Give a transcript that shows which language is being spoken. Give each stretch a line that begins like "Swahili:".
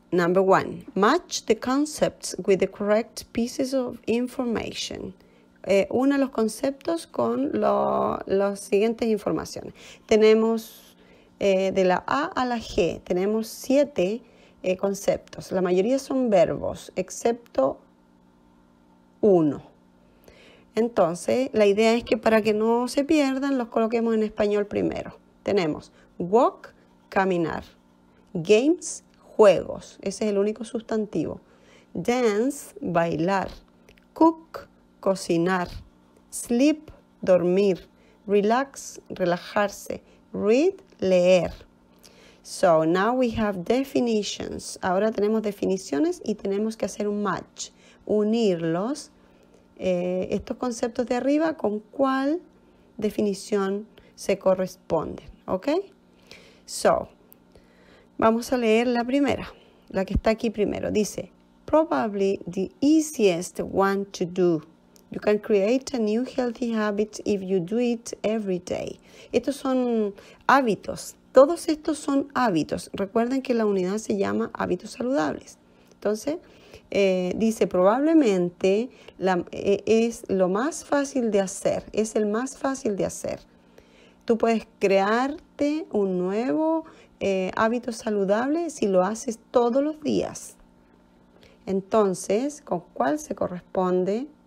English: Number one, match the concepts with the correct pieces of information.
Spanish: Una los conceptos con las siguientes informaciones. Tenemos de la A a la G, tenemos 7 conceptos. La mayoría son verbos, excepto uno. Entonces, la idea es que para que no se pierdan, los coloquemos en español primero. Tenemos walk, caminar, games, juegos, ese es el único sustantivo. Dance, bailar. Cook, cocinar. Sleep, dormir. Relax, relajarse.
English: Read, leer. So, now we have definitions.
Spanish: Ahora tenemos definiciones y tenemos que hacer un match. Unirlos, estos conceptos de arriba, con cuál definición se corresponden. ¿Ok? So, vamos a leer la primera, la que está aquí primero.
English: Dice, probably the easiest one to do. You can create a new healthy habit if you do it every day.
Spanish: Estos son hábitos. Todos estos son hábitos. Recuerden que la unidad se llama hábitos saludables. Entonces, dice, probablemente es lo más fácil de hacer. Es el más fácil de hacer. Tú puedes crearte un nuevo hábito saludable si lo haces todos los días. Entonces, ¿con cuál se corresponde